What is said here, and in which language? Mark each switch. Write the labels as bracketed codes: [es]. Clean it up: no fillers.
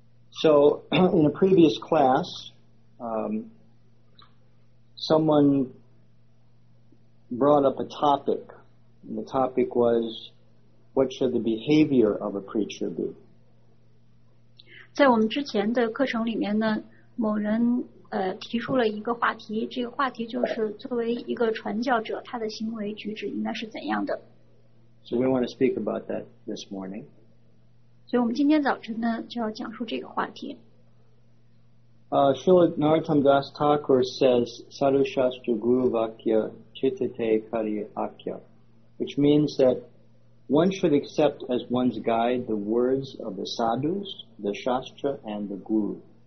[en] So, in a previous class, someone brought up a topic, and the topic was, what should the behavior of a preacher be? [zh] 在我们之前的课程里面呢，某人提出了一个话题，这个话题就是作为一个传教者，他的行为举止应该是怎样的。 [en] So we want to speak about that this morning. [zh] 所以我们今天早晨呢，就要讲述这个话题。 [en] Srila Narottam Das Thakur says, [sa] Sadhu Shastra Guru Vakya Chitate Kali Akya, [en] which means that one should accept as one's guide the words of the sadhus, the shastra, and the guru.